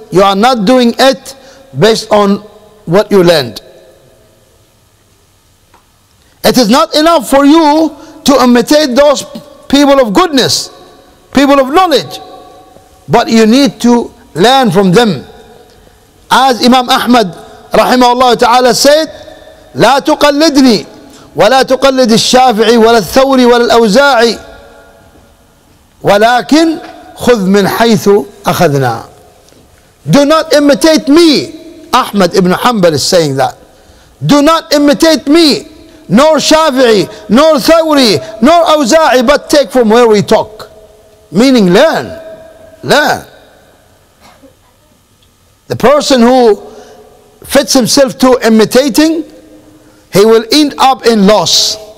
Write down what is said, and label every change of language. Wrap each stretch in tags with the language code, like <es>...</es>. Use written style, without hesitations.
<en>You are not doing it based on what you learned. It is not enough for you to imitate those people of goodness, people of knowledge, but you need to learn from them.</en> <ar>As Imam Ahmad rahimahullah ta'ala said, لا تقلدني ولا تقلد الشافعي ولا الثوري ولا الأوزاعي ولكن خذ من حيث أخذنا.</ar> <en>Do not imitate me. Ahmad ibn Hanbal is saying that. Do not imitate me, nor Shafi'i, nor Thawri, nor Awza'i, but take from where we talk. Meaning learn. Learn. The person who fits himself to imitating, he will end up in loss.</en>